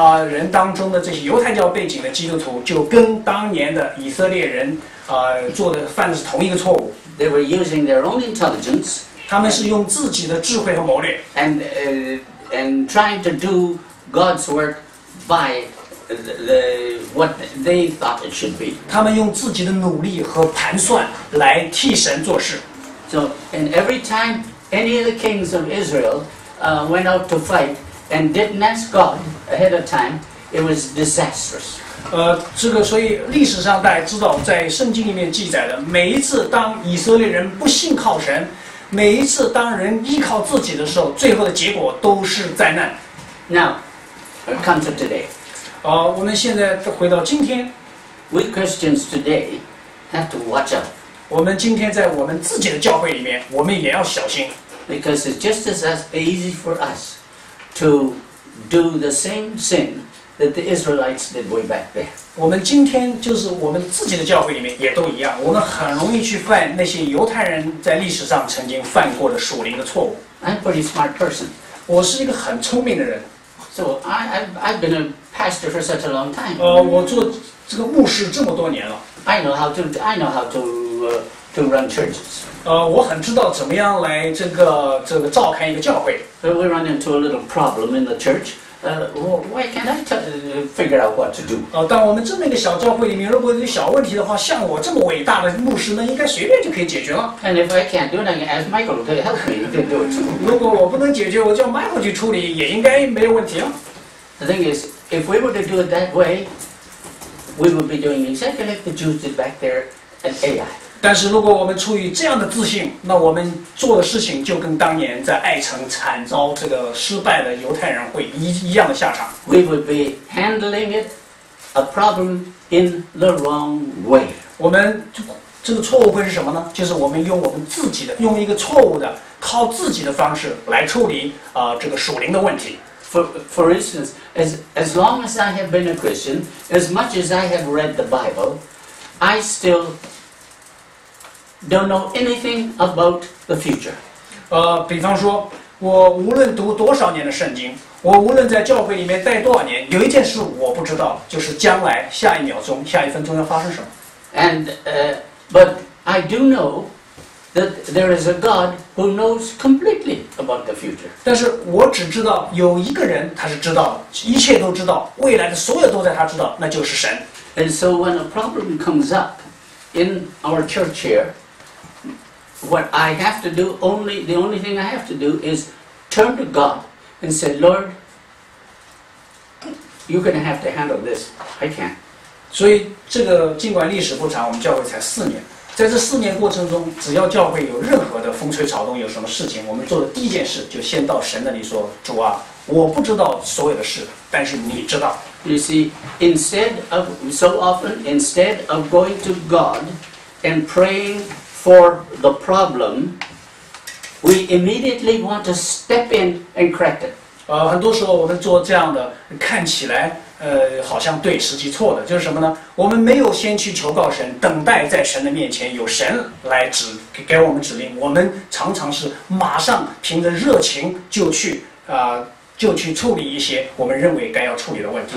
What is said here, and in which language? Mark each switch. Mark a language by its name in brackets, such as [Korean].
[Chinese] 人当中的这些犹太教背景的基督徒，就跟当年的以色列人做的犯的是同一个错误。 [English] They were using their own intelligence. [Chinese] 他们是用自己的智慧和谋略。 [English] And trying to do God's work by what they thought it should be. [Chinese] 他们用自己的努力和盘算来替神做事。 [English] So, and every time any of the kings of Israel went out to fight. And didn't ask God ahead of time, it was disastrous. [Chinese] 这个所以历史上大家知道，在圣经里面记载的，每一次当以色列人不信靠神，每一次当人依靠自己的时候，最后的结果都是灾难。 [English] Now, come to today. [Chinese] 我们现在回到今天。 [English] We Christians today have to watch out. [Chinese] 我们今天在我们自己的教会里面，我们也要小心。 [English] Because it's just as easy for us. To do the same sin that the Israelites did way back there. [Chinese] 我们今天就是我们自己的教会里面也都一样，我们很容易去犯那些犹太人在历史上曾经犯过的属灵的错误。 [English] I'm a pretty smart person. [Chinese] 我是一个很聪明的人。 [English] So I've been a pastor for such a long time. [Chinese] 我做这个牧师这么多年了。 [English] I know how to run churches. [Chinese] 我很知道怎么样来这个召开一个教会。 [English] So we run into a little problem in the church. Why can't I figure out what to do? [Chinese] 当我们这么一个小教会里面，如果有小问题的话，像我这么伟大的牧师呢，应该随便就可以解决了。 [English] And if I can't do it, I can ask Michael to help me to do it. [Chinese] 如果我不能解决，我叫 Michael 去处理，也应该没有问题啊。 [English] The thing is, if we were to do it that way, we would be doing exactly like the Jews did back there at Ai. [Chinese] 但是如果我们出于这样的自信，那我们做的事情就跟当年在爱城惨遭这个失败的犹太人会一样的下场。 [English] We would be handling it a problem in the wrong way. [Chinese] 我们这个错误会是什么呢？就是我们用我们自己的，用一个错误的，靠自己的方式来处理这个属灵的问题。 [English] For instance, as long as I have been a Christian, as much as I have read the Bible, I still don't know anything about the future. [Chinese] 比方说，我无论读多少年的圣经，我无论在教会里面待多少年，有一件事我不知道，就是将来下一秒钟、下一分钟要发生什么。 [English] But I do know that there is a God who knows completely about the future. [Chinese] 但是我只知道有一个人，他是知道的，一切都知道，未来的所有都在他知道，那就是神。 [English] And so when a problem comes up in our church here. what I have to do, only, the only thing I have to do is turn to God and say, Lord, you're going to have to handle this. I can't. [Chinese] 所以这个尽管历史不长，我们教会才四年，在这四年过程中，只要教会有任何的风吹草动，有什么事情，我们做的第一件事就先到神那里说，主啊，我不知道所有的事，但是你知道。 [English] You see, instead of, so often, instead of going to God and praying for the problem, we immediately want to step in and correct it. [Chinese] 很多时候我们做这样的，看起来好像对，实际错的，就是什么呢？我们没有先去求告神，等待在神的面前，有神来指给我们指令。我们常常是马上凭着热情就去就去处理一些我们认为该要处理的问题。